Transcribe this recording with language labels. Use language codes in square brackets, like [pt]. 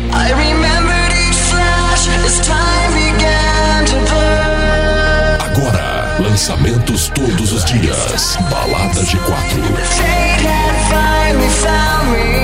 [en] I remembered each flash as time began to burn. [pt] Agora, lançamentos todos os dias. Balada de 4. [en] Fate had finally found me.